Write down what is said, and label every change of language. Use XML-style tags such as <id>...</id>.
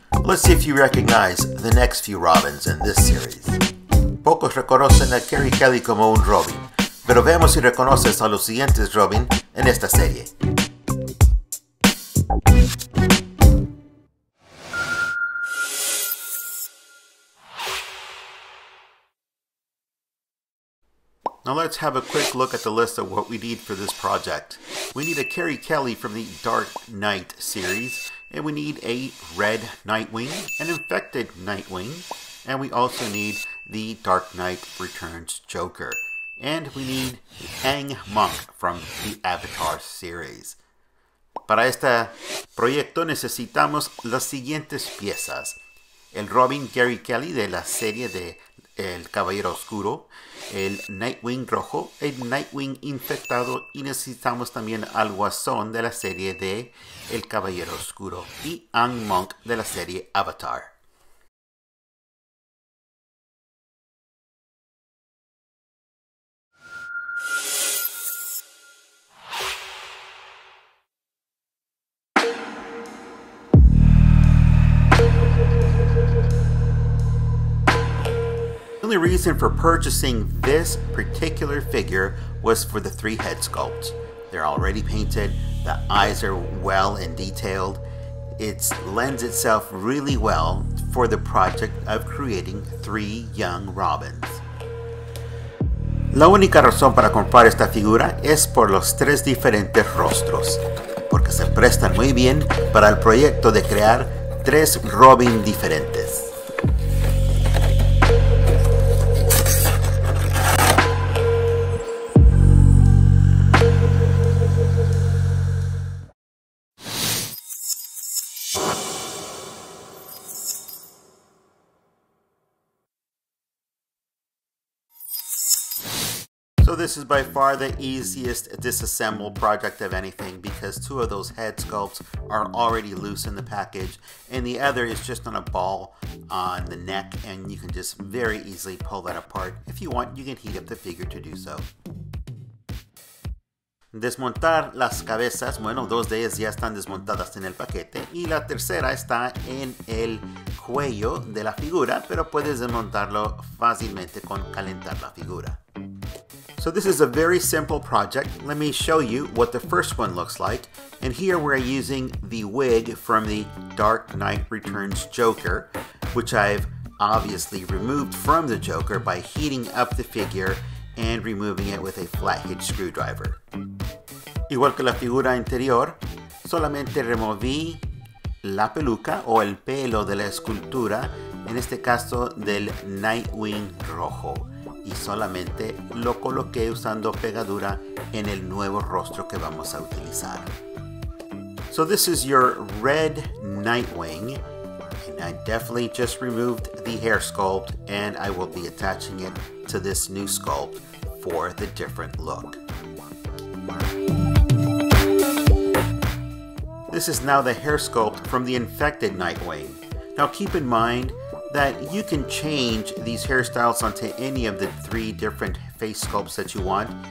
<en>Let's see if you recognize the next few Robins in this series.</en> <es>Pocos reconocen a Carrie Kelly como un Robin, pero vemos si reconoces a los siguientes Robin en esta serie.</es> <en>Now let's have a quick look at the list of what we need for this project. We need a Carrie Kelly from the Dark Knight series, and we need a red Nightwing, an infected Nightwing, and we also need the Dark Knight Returns Joker. And we need Aang Monk from the Avatar series.</en> <es>Para este proyecto necesitamos las siguientes piezas. El Robin Carrie Kelly de la serie de El Caballero Oscuro, el Nightwing Rojo, el Nightwing Infectado, y necesitamos también al Guasón de la serie de El Caballero Oscuro y Aang Monk de la serie Avatar.</es> <en>The only reason for purchasing this particular figure was for the three head sculpts. They're already painted, the eyes are well and detailed. It lends itself really well for the project of creating three young Robins.</en> <es>La única razón para comprar esta figura es por los tres diferentes rostros, porque se prestan muy bien para el proyecto de crear tres Robin diferentes.</es> <en>So this is by far the easiest disassemble project of anything because two of those head sculpts are already loose in the package and the other is just on a ball on the neck, and you can just very easily pull that apart. If you want, you can heat up the figure to do so.</en> <es>Desmontar las cabezas, bueno, dos de ellas ya están desmontadas en el paquete y la tercera está en el cuello de la figura, pero puedes desmontarlo fácilmente con calentar la figura.</es> <en>So this is a very simple project. Let me show you what the first one looks like. And here we're using the wig from the Dark Knight Returns Joker, which I've obviously removed from the Joker by heating up the figure and removing it with a flathead screwdriver.</en> <es>Igual que la figura anterior, solamente removí la peluca o el pelo de la escultura, en este caso del Nightwing Rojo. Y solamente lo coloqué usando pegadura en el nuevo rostro que vamos a utilizar.</es> <en>So this is your red Nightwing. And I definitely just removed the hair sculpt and I will be attaching it to this new sculpt for the different look. This is now the hair sculpt from the infected Nightwing. Now keep in mind that you can change these hairstyles onto any of the three different face sculpts that you want.</en>